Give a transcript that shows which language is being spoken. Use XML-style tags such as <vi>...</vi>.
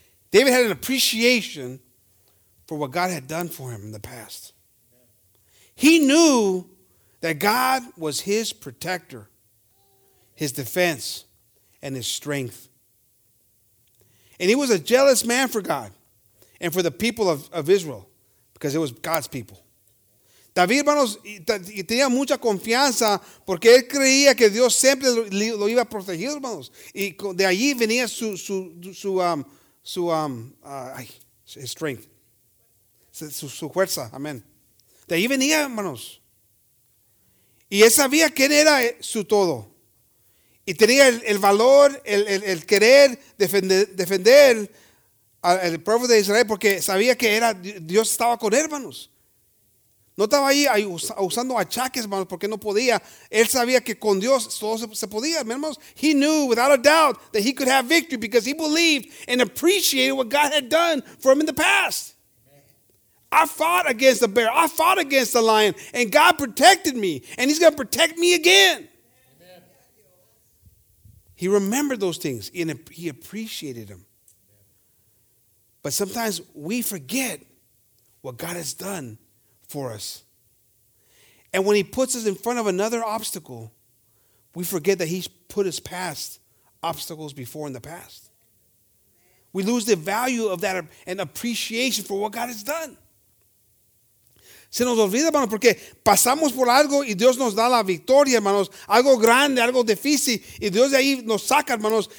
<en>David had an appreciation for what God had done for him in the past. He knew that God was his protector, his defense, and his strength. And he was a jealous man for God and for the people of Israel. Because it was God's people.</en> <es>David, hermanos, tenía mucha confianza porque él creía que Dios siempre lo iba a proteger, hermanos. Y de allí venía su strength. Su fuerza, amén. De allí venía, hermanos. Y él sabía quién era su todo. Y tenía el valor, el querer defender al pueblo de Israel, porque sabía que era Dios estaba con él, hermanos. No estaba ahí usando achaques, hermanos, porque no podía. Él sabía que con Dios todo se podía, hermanos.</es> <en>He knew without a doubt that he could have victory because he believed and appreciated what God had done for him in the past. I fought against the bear. I fought against the lion. And God protected me. And he's going to protect me again. Amen. He remembered those things. And he appreciated them. But sometimes we forget what God has done for us. And when he puts us in front of another obstacle, we forget that he's put us past obstacles before in the past. We lose the value of that and appreciation for what God has done.</en> <es>Se nos olvida, hermanos, porque pasamos por algo y Dios nos da la victoria, hermanos. Algo grande, algo difícil. Y Dios de ahí nos saca, hermanos.</es>